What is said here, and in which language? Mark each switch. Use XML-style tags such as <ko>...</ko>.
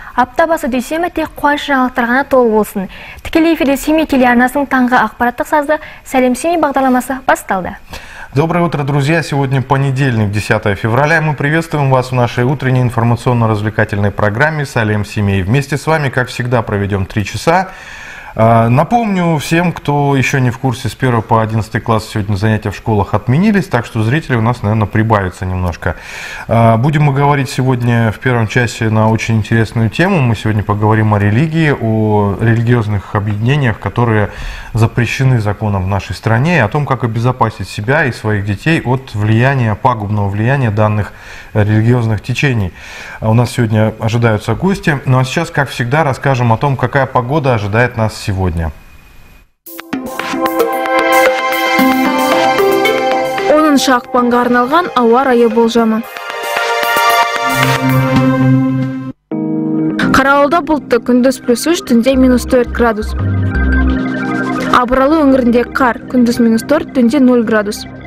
<kk>Апта басы дүйсенбі тек қуаныш жаңалықтар ғана толы болсын. Тікелей эфирде Семей телеарнасының таңғы ақпараттық сазы «Сәлем Семей» бағдарламасы басталды.</kk> <ru>Доброе утро, друзья. Сегодня понедельник, 10 февраля. Мы приветствуем вас в нашей утренней информационно-развлекательной программе «Салем Семей». Вместе с вами, как всегда, проведем 3 часа. Напомню всем, кто еще не в курсе, с 1 по 11 класс сегодня занятия в школах отменились, так что зрители у нас, наверное, прибавятся немножко. Будем мы говорить сегодня в первом часе на очень интересную тему. Мы сегодня поговорим о религии, о религиозных объединениях, которые запрещены законом в нашей стране, и о том, как обезопасить себя и своих детей от влияния, пагубного влияния данных религиозных течений. У нас сегодня ожидаются гости. Ну а сейчас, как всегда, расскажем о том, какая погода ожидает нас сегодня.</ru> <kk>Оныншы ақпанға арналған ауа райы болжамы. Қарауылда бұлтты, күндіз плюс 3, түнде минус 4 градус. Абыралы өңірінде қар, күндіз минус 4, түнде 0 градус.</kk>